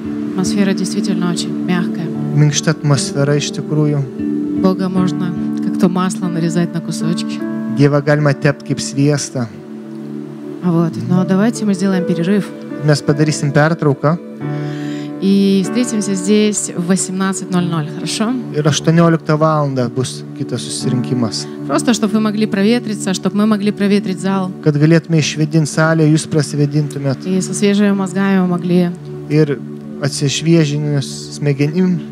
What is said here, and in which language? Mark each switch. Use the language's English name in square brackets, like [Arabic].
[Russian] Atmosfera действительно очень мягкая. [Lithuanian] Minkšta atmosfera iš tikrųjų. [Russian] Бога можно как-то масло нарезать на кусочки. [Lithuanian] Dievą galima tepti kaip sviestą. [Russian] Вот. Но давайте мы сделаем перерыв. [Lithuanian] Mes padarysim pertrauką. [Russian] И встретимся здесь в 18:00, хорошо? [Lithuanian] Ir 18 valandą bus kitas susirinkimas. [Russian] Просто чтобы вы могли проветриться, чтобы мы могли проветрить зал. [Lithuanian] Kad galėtume išvėdinti salę, jūs prasivėdintumėt. [Russian] И со свежими мозгами могли. [Lithuanian] Ir atsišviežinęs smegenim.